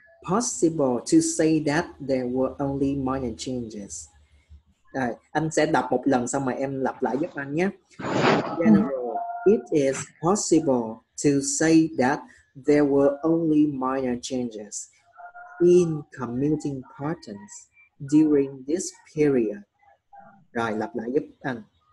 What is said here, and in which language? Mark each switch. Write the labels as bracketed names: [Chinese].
[English] possible to say that there were only minor changes. [Vietnamese] À, anh sẽ đọc một lần xong rồi em lặp lại giúp anh nhé. [English] In general, it is possible to say that there were only minor changes in commuting patterns during this period. [Vietnamese] Rồi lặp lại giúp anh.